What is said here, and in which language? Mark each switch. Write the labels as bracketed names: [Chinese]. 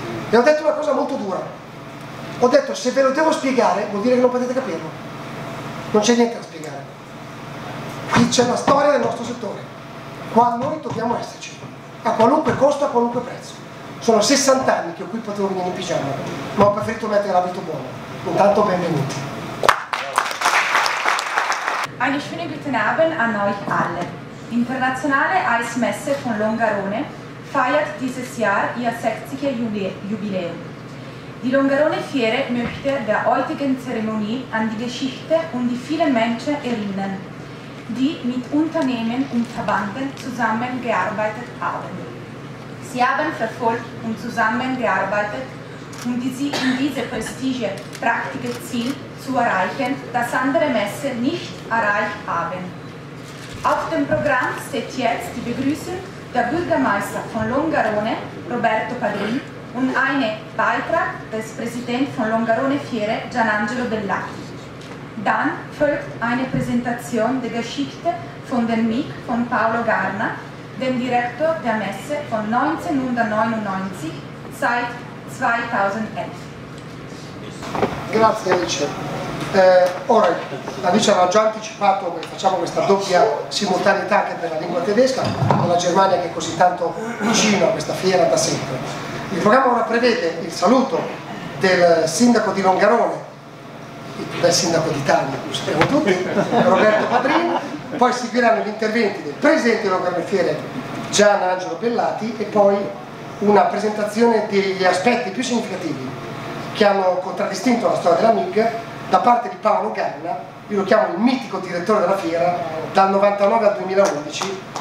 [Italian] E ho detto una cosa molto dura. Ho detto, se ve lo devo spiegare, vuol dire che non potete capirlo. Non c'è niente da spiegare. Qui c'è la storia del nostro settore. Qua noi dobbiamo esserci. A qualunque costo, a qualunque prezzo. Sono 60 anni che qui potevo venire in pigiama, ma ho preferito mettere l'abito buono. Intanto, benvenuti. [German] Einen schönen guten Abend an euch alle. Internationale Eismesse von Longarone feiert dieses Jahr ihr 60er-Jubiläum. Die Longarone Fiere möchte der heutigen Zeremonie an die Geschichte und die vielen Menschen erinnern, die mit Unternehmen und Verbänden zusammengearbeitet haben. Sie haben verfolgt und zusammengearbeitet, um sie in diese prestigeprächtige Ziel zu erreichen, das andere Messe nicht erreicht haben. Auf dem Programm steht jetzt die Begrüßung der Bürgermeister von Longarone, Roberto Padrini, und eine Beitrag des Präsidenten von Longarone Fiere, Gianangelo Bellacchi. Dann folgt eine Präsentation der Geschichte von dem MIG von Paolo Garna, dem Direktor der Messe von 1999 seit 2011. [Italian] Grazie, Alice. Ora, Alice aveva già anticipato che facciamo questa doppia simultaneità anche per la lingua tedesca, con la Germania che è così tanto vicino a questa fiera da sempre. Il programma ora prevede il saluto del sindaco di Longarone, il più bel sindaco d'Italia, lo sappiamo tutti, Roberto Padrini, poi seguiranno gli interventi del presidente di Longarone Fiere, Gianangelo Bellati, e poi una presentazione degli aspetti più significativi che hanno contraddistinto la storia della MIG da parte di Paolo Garna, io lo chiamo il mitico direttore della fiera, dal 99 al 2011.